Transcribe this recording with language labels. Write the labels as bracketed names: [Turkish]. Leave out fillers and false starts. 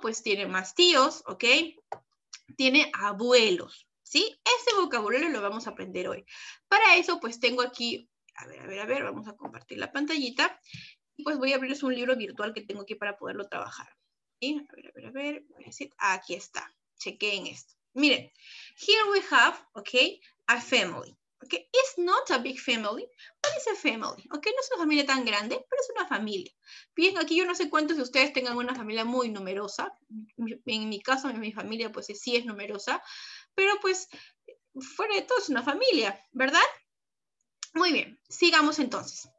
[Spanish] Pues tiene más tíos, ¿ok? Tiene abuelos. ¿Sí? Ese vocabulario lo vamos a aprender hoy. Para eso, pues, tengo aquí, a ver, vamos a compartir la pantallita. Pues, voy a abrirles un libro virtual que tengo aquí para poderlo trabajar. ¿Sí? A ver, voy a decir, aquí está. Chequeen esto. Miren, [English] here we have, okay, a family. Okay, it's not a big family, but it's a family. [Spanish] Okay, no es una familia tan grande, pero es una familia. Bien, aquí yo no sé cuántos de ustedes tengan una familia muy numerosa. En mi caso, en mi familia, pues, sí es numerosa. Pero pues, fuera de todo, es una familia, ¿verdad? Muy bien, sigamos entonces.